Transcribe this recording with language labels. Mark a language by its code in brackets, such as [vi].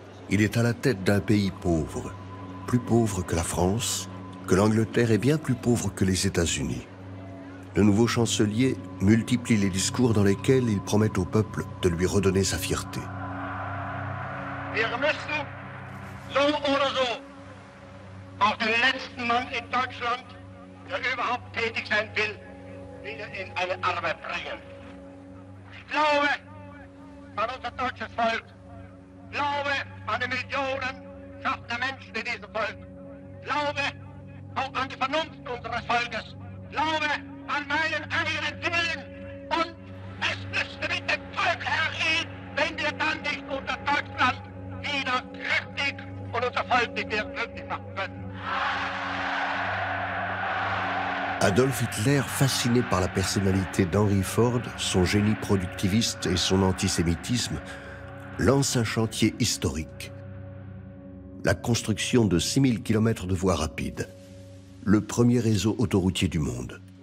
[fr] Il est à la tête d'un pays pauvre, plus pauvre que la France, que l'Angleterre et bien plus pauvre que les États-Unis. Le nouveau chancelier multiplie les discours dans lesquels il promet au peuple de lui redonner sa fierté. [de] Wir müssen, so oder so, auch den letzten Mann in Deutschland, der überhaupt tätig sein will, wieder in eine Arbeit bringen. Ich glaube an unser deutsches Volk. Glaube an die Millionen schaffender Menschen in diesem Volk. Glaube auch an die Vernunft unseres Volkes. Glaube an meinen eigenen Willen. Und es müsste mit dem Volk hergehen, wenn wir dann nicht unser Deutschland wieder kräftig und unser Volk nicht mehr glücklich machen können. [fr] Adolf Hitler, fasciné par la personnalité d'Henry Ford, son génie productiviste et son antisémitisme, lance un chantier historique. La construction de 6000 km de voies rapides, le premier réseau autoroutier du monde.